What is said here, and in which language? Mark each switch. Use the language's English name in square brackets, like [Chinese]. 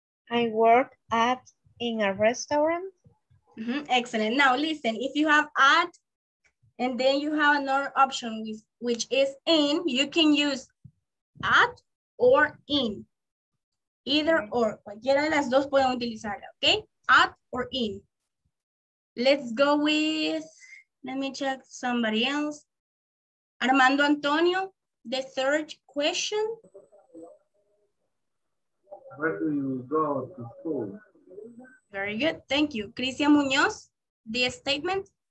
[English] I work at in a restaurant. Mm-hmm, excellent. Now listen, if you have at and then you have another option with, which is in, you can use at or in. Either or, [Spanish] cualquiera de las dos pueden utilizarla, okay? [English] At or in. Let's go with, let me check somebody else. Armando Antonio, the third question. Where do you go to school? Very good, thank you. Cristian Muñoz, the statement.